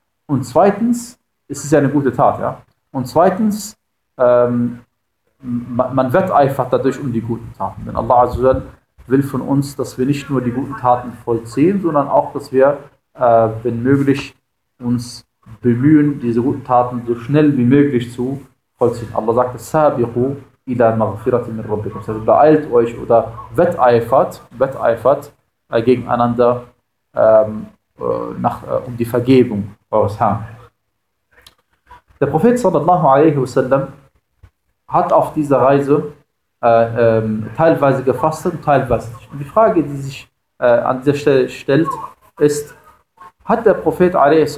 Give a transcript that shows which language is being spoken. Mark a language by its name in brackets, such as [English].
[German] Und zweitens, es ist ja eine gute Tat, ja. Und zweitens, man wetteifert dadurch um die guten Taten. Denn Allah azza wa jalla will von uns, dass wir nicht nur die guten Taten vollziehen, sondern auch, dass wir, wenn möglich, uns bemühen, diese guten Taten so schnell wie möglich zu vollziehen. [Arabic] Allah sagt, سَابِقُوا إِلَى مَغْفِرَةٍ مِنْ رَبِّكُمْ. [German] Also beeilt euch oder wetteifert gegeneinander um die Vergebung eures Herrn. Der Prophet sallallahu alaihi wasallam hat auf dieser Reise teilweise gefastet und teilweise nicht. Und die Frage, die sich an dieser Stelle stellt, ist, hat der Prophet a.s.